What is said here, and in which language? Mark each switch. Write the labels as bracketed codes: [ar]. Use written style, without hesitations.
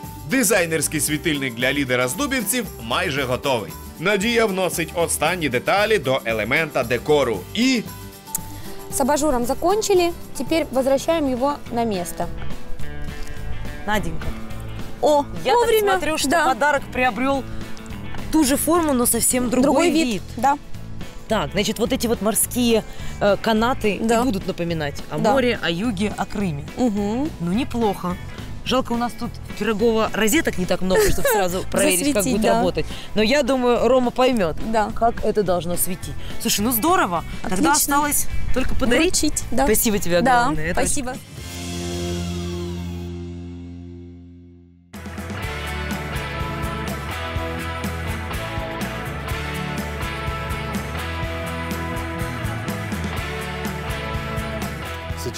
[uk] Дизайнерський світильник для лідера здубівців майже готовий. Надія вносить останні деталі до елемента декору і... [ru] С абажуром закончили, [uk] тепер возвращаємо його на місце. [ru] Наденька. О, я вовремя. Так смотрю, що да. Подарок приобрел ту же форму, но совсем другой вид. Да. Так, значить, вот эти вот морские канаты да. [uk] і будуть напоминати о морі, [ru] о юге, о Криме. Угу. Ну, неплохо. Жалко, у нас тут пирогово розеток не так много, чтобы сразу проверить, засветить, как будет да. работать. Но я думаю, Рома поймет, да. как это должно светить. Слушай, ну здорово. Отлично. Тогда осталось только подарить. Вручить, да. Спасибо тебе огромное. Да, это спасибо. Очень...